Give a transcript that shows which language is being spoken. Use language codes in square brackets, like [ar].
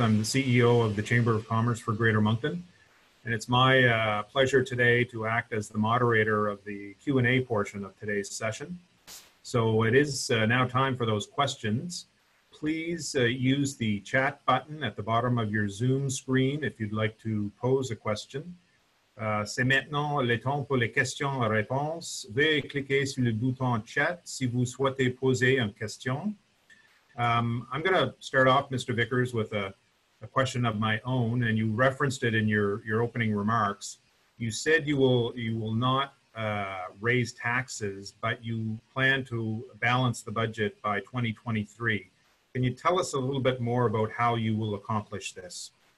[en] I'm the CEO of the Chamber of Commerce for Greater Moncton. And it's my pleasure today to act as the moderator of the Q&A portion of today's session. So it is now time for those questions. Please use the chat button at the bottom of your Zoom screen if you'd like to pose a question. [fr] C'est maintenant le temps pour les questions et réponses. Veuillez cliquer sur le bouton chat si vous souhaitez poser une question. [en] I'm going to start off, Mr. Vickers, with a question of my own, and you referenced it in your opening remarks. You said you will not raise taxes, but you plan to balance the budget by 2023. Can you tell us a little bit more about how you will accomplish this?